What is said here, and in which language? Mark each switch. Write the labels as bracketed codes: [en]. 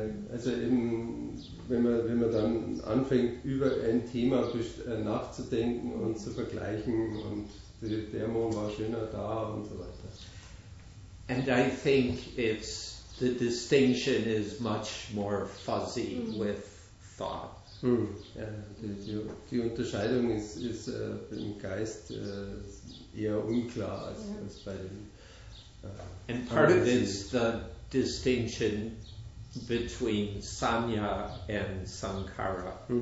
[de] Also eben, wenn man dann anfängt, über ein Thema nachzudenken und zu vergleichen und der Mond war schöner da und so weiter. [en] And I think it's the distinction is much more fuzzy with thought. [de] Die Unterscheidung ist im Geist eher unklar als bei den. [en] And part of it is the distinction between samya and sankara.